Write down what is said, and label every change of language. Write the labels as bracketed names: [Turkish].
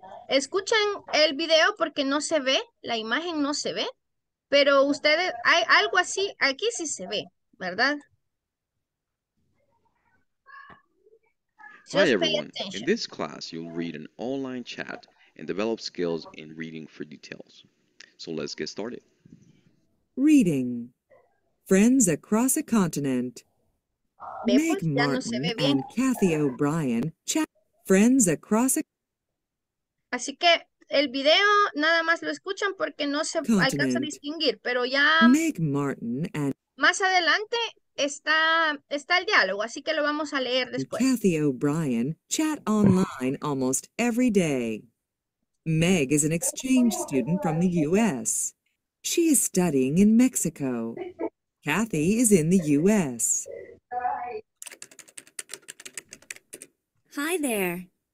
[Spanish] Escuchen el video porque no se ve, la imagen no se ve, pero ustedes, hay algo así, aquí sí se ve, ¿verdad? [English] Just pay attention. Hi everyone. In this class, you'll read an online chat and develop skills in reading for details. So let's get started. Reading. Friends across a continent. Meg Martin and Kathy O'Brien chat. Friends across a... [Spanish] Así que el video nada más lo escuchan porque no se alcanza a distinguir, pero ya [English] Meg Martin and [Spanish] más adelante está el diálogo, así que lo vamos a leer después. [English] Kathy O'Brien chat online almost every day. Meg is an exchange student from the U.S. She is studying in Mexico. Kathy is in the U.S. Hi there.